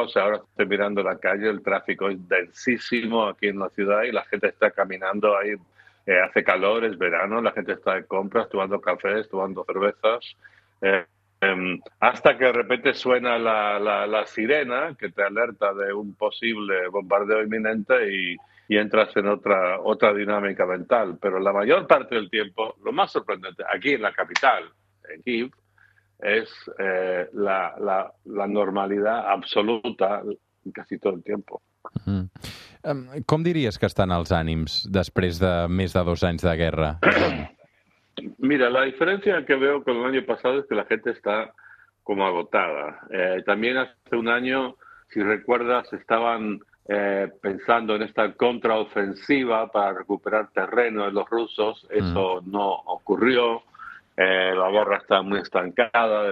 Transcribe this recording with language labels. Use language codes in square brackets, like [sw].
[es] O sea, ahora estoy mirando la calle, el tráfico es densísimo aquí en la ciudad y la gente está caminando ahí, hace calor, es verano, la gente está de compras, tomando cafés, tomando cervezas, hasta que de repente suena la sirena que te alerta de un posible bombardeo inminente y entras en otra dinámica mental. Pero la mayor parte del tiempo, lo más sorprendente, aquí en la capital, en Kiev, es la normalidad absoluta casi todo el tiempo. Uh-huh. [ca] Com diries que estan els ànims després de més de 2 anys de guerra? [es] Mira, la diferencia que veo con el año pasado es que la gente está como agotada. También hace un año, si recuerdas, estaban pensando en esta contraofensiva para recuperar terreno de los rusos. Eso no ocurrió. La guerra está muy estancada.